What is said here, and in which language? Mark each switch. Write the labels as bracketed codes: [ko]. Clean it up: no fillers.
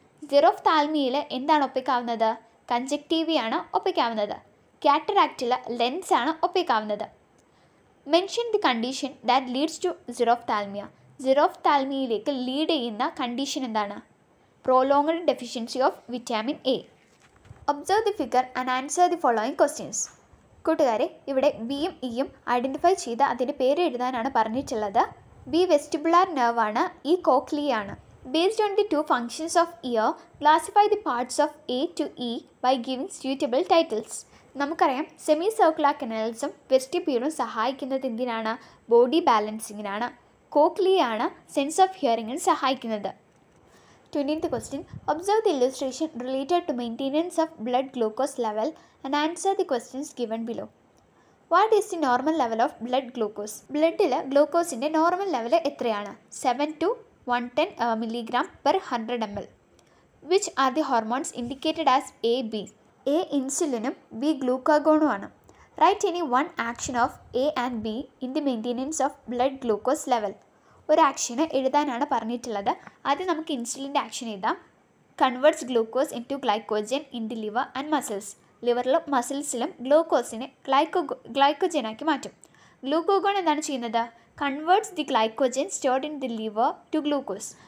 [ml] സെറോഫ്താൽമിയയിൽ എന്താണ് ഒപ്പിക്കാവുന്നത്? കൺജക്റ്റീവി ആണ് ഒപ്പിക്കാവുന്നത്. കാറ്ററാക്റ്റിൽ ലെൻസ് ആണ് ഒപ്പിക്കാവുന്നത്. [en] Mention the condition that leads to xerophthalmia. [ml] സെറോഫ്താൽമിയയിലേക്ക് lead ചെയ്യുന്ന കണ്ടീഷൻ എന്താണ്? [en] prolonged deficiency of vitamin A. Observe the figure and answer the following questions. [ml] കൂട്ടുകാരെ, ഇവിടെ ബിയും ഇയും ഐഡൻറ്റിഫൈ ചെയ്ത് അതിൻ്റെ പേര് എഴുതാനാണ് പറഞ്ഞിട്ടുള്ളത്. ബി വെസ്റ്റിബുലാർ നെർവ് ആണ്, ഇ കോക്ലിയ ആണ്. [en] Based on the two functions of ear, classify the parts of A to E by giving suitable titles. [ml] നമുക്കറിയാം സെമി സർക്കുലർ കനാൽസും വെസ്റ്റിബ്യൂളും സഹായിക്കുന്നത് എന്തിനാണ്? ബോഡി ബാലൻസിങ്ങിനാണ്. കോക്ലിയ ആണ് സെൻസ് ഓഫ് ഹിയറിങ്ങിന് സഹായിക്കുന്നത്. [en] 20th question, observe the illustration related to maintenance of blood glucose level and answer the questions given below. What is the normal level of blood glucose? [ml] Bloodile glucose inde normal level ethrayana? [en] 7 to 110 mg per 100 ml. Which are the hormones indicated as A, B? [ml] A insulinum, B glucagonum aanu. [en] Write any one action of A and B in the maintenance of blood glucose level. [ml] ഒരു action എഴുതാനാണ് പറഞ്ഞിട്ടുള്ളത്. ആദ്യം നമുക്ക് ഇൻസുലിൻ്റെ action എഴുതാം. [en] Converts glucose into glycogen in the liver and muscles. [ml] ലിവറിലും മസിൽസിലും ഗ്ലൂക്കോസിനെ ഗ്ലൈക്കോജനാക്കി മാറ്റും. Glucagon എന്താണ് ചെയ്യുന്നത്? [en] Converts the glycogen stored in the liver to glucose.